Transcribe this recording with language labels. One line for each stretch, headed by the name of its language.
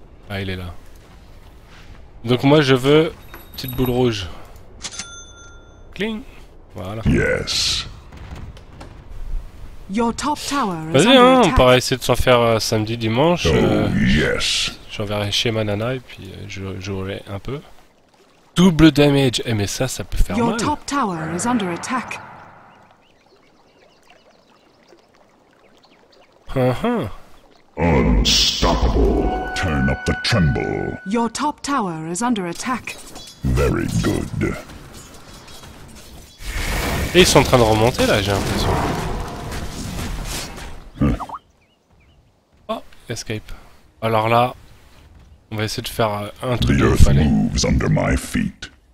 French: Ah, il est là. Donc moi, je veux... petite boule rouge. Cling. Voilà.
English: Yes. Your top tower.
French: Vas-y, hein, on pourra essayer de s'en faire samedi, dimanche.
English: Oh, yes.
French: J'enverrai chez ma nana et puis je jouerai un peu.
English: Double damage.
French: Eh mais ça peut faire
English: Your
French: mal.
English: Top tower is under attack. Unstoppable. Turn up the tremble. Your top tower is under attack. Very good.
French: Et ils sont en train de remonter là, j'ai l'impression. Oh, escape. Alors là, on va essayer de faire un truc.
English: The earth moves under my feet.